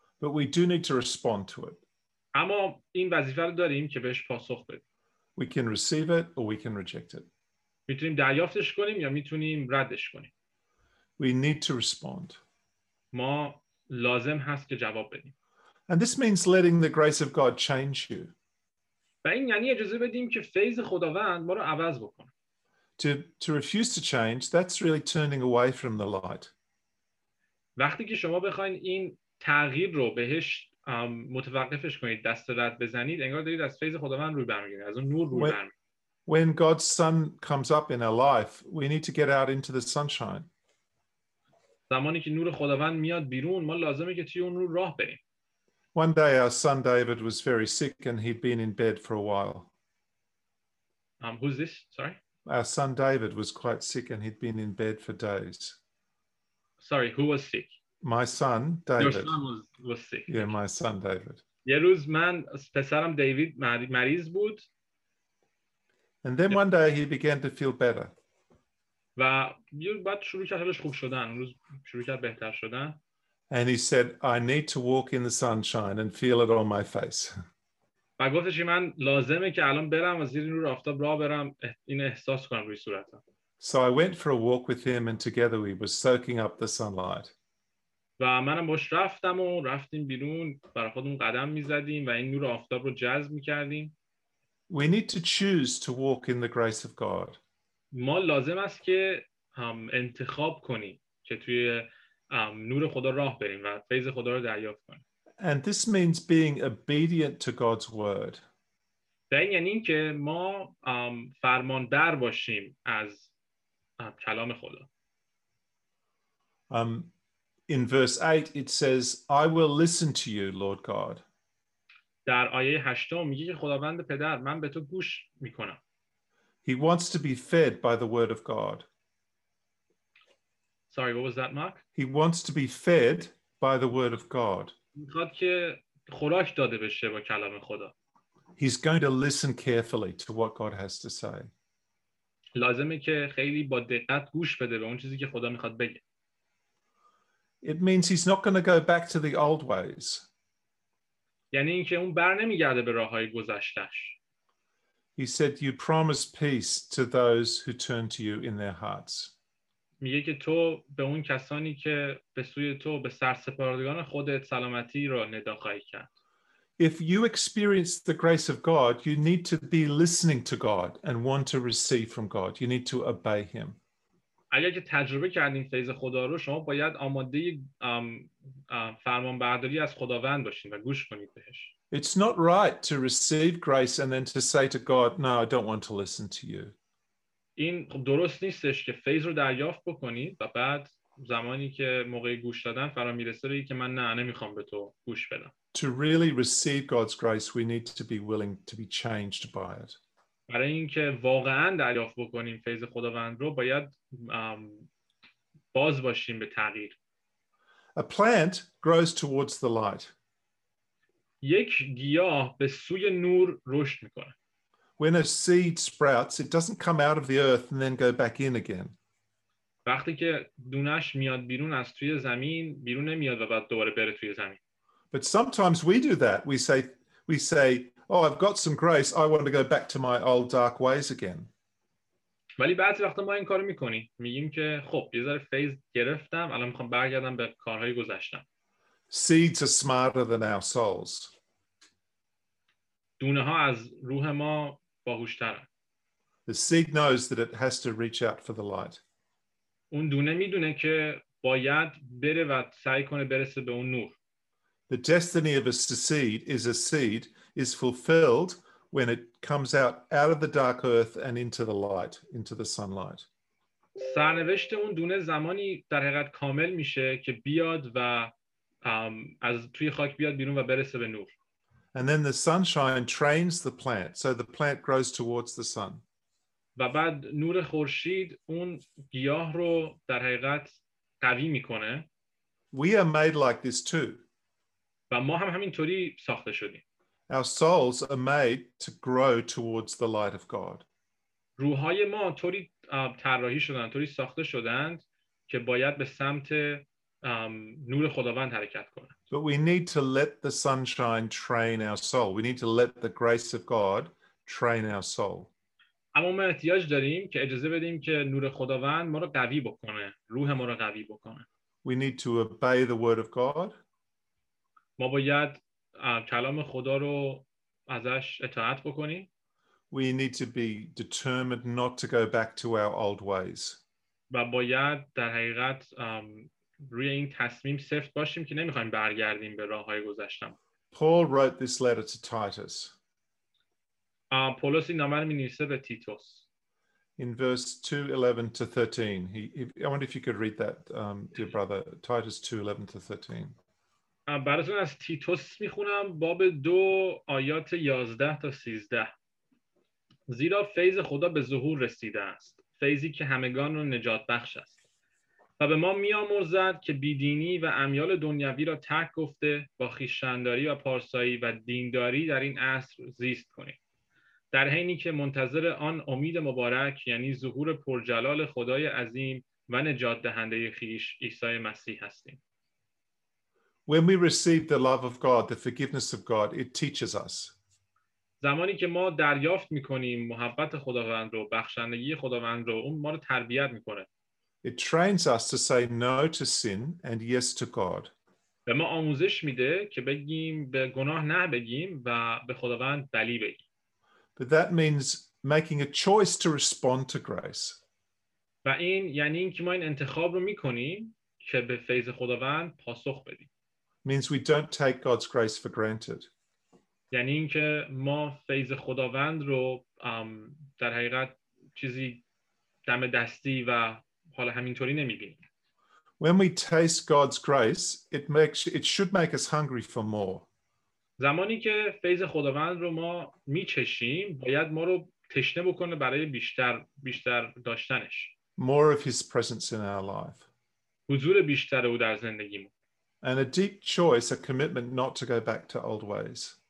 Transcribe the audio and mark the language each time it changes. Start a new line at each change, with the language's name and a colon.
English: But we do need to respond to it.
Persian: اما این وظیفه رو داریم که بهش پاسخ بدیم.
English: We can receive it or we can reject it.
Persian: میتونیم دریافتش کنیم یا میتونیم ردش کنیم.
English: We need to respond.
Persian: ما لازم هست که جواب بدیم.
English: And this means letting the grace of God change you.
Persian: و این یعنی اجازه بدیم که فیض خداوند ما رو عوض بکنه.
English: to refuse to change, that's really turning away from the light.
Persian: وقتی که شما بخواید این تغییر رو بهش متوقفش کنید، دست رد بزنید، انگار دارید از فیض خداوند روی برمیگیرید، از اون نور روی برمیگیرید.
English: When God's sun comes up in our life, we need to get out into the sunshine.
Persian: زمانی که نور خداوند میاد بیرون، ما لازمه که توی اون نور راه بریم.
English: One day our son David was very sick and he'd been in bed for a while. Who's this? Sorry? Our son David was quite sick and he'd been in bed for days. Sorry, who was sick? My son, David. Your son was sick. Yeah, my son, David.
Persian: یه روز من پسرم دیوید مریض بود.
English: And then one day he began to feel better.
Persian: و یه روز بعد شروع کرد حالش خوب شدن. روز شروع کرد بهتر شدن.
English: And he said, I need to walk in the sunshine and feel it on my face.
Persian: و گفتش من لازمه که الان برم و زیر نور آفتاب راه برم این احساس کنم روی صورتم.
English: So I went for a walk with him and together we were soaking up the sunlight.
Persian: و منم باش رفتم و رفتیم بیرون برای خودمون قدم می‌زدیم و این نور آفتاب رو جذب می‌کردیم.
English: We need to choose to walk in the grace of God.
Persian: ما لازم است که انتخاب کنیم که توی نور خدا راه بریم و فیض خدا رو دریافت کنیم.
English: And this means being obedient to God's word.
Persian: در این یعنی که ما فرماندار باشیم از کلام خدا.
English: In verse 8 it says, I will listen to you, Lord God.
Persian: در آیه 8 میگه که خداوند پدر من به تو گوش میکنم.
English: He wants to be fed by the word of God. Sorry, what was that, Mark? He wants to be fed by the word of God.
Persian: میخواد که خوراک داده بشه با کلام خدا.
English: He's going to listen carefully to what God has to say.
Persian: لازمه که خیلی با دقت گوش بده به اون چیزی که خدا میخواد بگه.
English: It means he's not going to go back to the old ways.
Persian: یعنی اینکه اون بر نمیگرده به راه‌های گذشته‌اش.
English: He said you promised peace to those who turn to you in their hearts.
Persian: میگه که تو به اون کسانی که به سوی تو به سرسپردگان خودت سلامتی را ندا خواهی کرد.
English: If you experience the grace of God, you need to be listening to God and want to receive from God. You need to obey him.
Persian: اگر که تجربه کردین فیض خدا رو شما باید آماده فرمانبرداری از خداوند باشین و گوش کنید بهش.
English: It's not right to receive grace and then to say to God, no, I don't want to listen to you.
Persian: این درست نیستش که فیض رو دریافت بکنید و بعد زمانی که موقع گوش دادن فرا میرسه بگید که من نه نمیخوام به تو گوش بدم.
English: To really receive God's grace, we need to be willing to be changed by it.
Persian: برای اینکه واقعا دریافت بکنیم فیض خداوند رو باید باز باشیم به تغییر.
English: A plant grows towards the light.
Persian: یک گیاه به سوی نور رشد میکنه.
English: When a seed sprouts, it doesn't come out of the earth and then go back in again.
Persian: وقتی که دونش میاد بیرون از توی زمین بیرون نمیاد و بعد دوباره بره توی زمین.
English: But sometimes we do that. We say, oh, I've got some grace. I want to go back to my old dark ways again.
Persian: ولی بعضی وقتا ما این کارو میکنیم. میگیم که خب یه ذره فیض گرفتم. الان میخوام برگردم به کارهای گذشتم.
English: Seeds are smarter than our souls.
Persian: دونه ها از روح ما باهوشترن.
English: The seed knows that it has to reach out for the light.
Persian: اون دونه میدونه که باید بره و سعی کنه برسه به اون نور.
English: The destiny of a seed is fulfilled when it comes out of the dark earth and into the light, into the sunlight.
Persian: سرنوشت اون دونه زمانی در حقیقت کامل میشه که بیاد و از توی خاک بیاد بیرون و برسه به نور.
English: And then the sunshine trains the plant, so the plant grows towards the sun.
Persian: و بعد نور خورشید اون گیاه رو در حقیقت قوی میکنه.
English: We are made like this too.
Persian: و ما هم همینطوری ساخته شدیم.
English: Our souls are made to grow towards the light of God.
Persian: روح‌های ما طوری طراحی شدن، طوری ساخته شدند که باید به سمت نور خداوند حرکت کنند.
English: But we need to let the sunshine train our soul. We need to let the grace of God train our soul.
Persian: اما ما نیاز داریم که اجازه بدیم که نور خداوند ما رو قوی بکنه، روح ما رو قوی بکنه.
English: We need to obey the word of God.
Persian: ما باید کلام خدا رو ازش اطاعت بکنیم.
English: we need to be determined not to go back to our old ways.
Persian: و باید در حقیقت روی این تصمیم سفت باشیم که نمیخوایم برگردیم به راه‌های گذشتم.
English: Paul wrote this letter to Titus.
Persian: پولوس این نامه رو می‌نویسه به تیتوس.
English: In verse 2:11-13, I wonder if you could read that, dear brother, Titus 2:11-13.
Persian: براتون از تیتوس می‌خونم باب 2 آیات 11 تا 13. زیرا فیض خدا به ظهور رسیده است. فیضی که همگان را نجات بخش است و به ما می‌آمرزد که بیدینی و امیال دنیوی را ترک گفته با خویشتنداری و پارسایی و دینداری در این عصر زیست کنیم در حینی که منتظر آن امید مبارک یعنی ظهور پرجلال خدای عظیم و نجات دهنده خیش عیسی مسیح هستیم.
English: When we receive the love of God, the forgiveness of God, it teaches us.
Persian: زمانی که ما دریافت می‌کنیم محبت خداوند رو، بخشندگی خداوند رو، اون ما رو تربیت می‌کنه.
English: It trains us to say no to sin and yes to God.
Persian: به ما آموزش میده که بگیم به گناه نه بگیم و به خداوند بلی بگیم.
English: But that means making a choice to respond to grace.
Persian: و این یعنی اینکه ما این انتخاب رو می‌کنیم که به فیض خداوند پاسخ بدیم.
English: Means we don't take God's grace for granted.
Persian: یعنی اینکه ما فیض خداوند رو در حقیقت چیزی دم دستی و حالا همینطوری نمی‌بینیم.
English: When we taste God's grace, it should make us hungry for more.
Persian: زمانی که فیض خداوند رو ما می‌چشیم، باید ما رو تشنه بکنه برای بیشتر داشتنش.
English: More of his presence in our life.
Persian: حضور بیشتر او در زندگیمون.
English: And a deep choice, a commitment not to go back to old ways.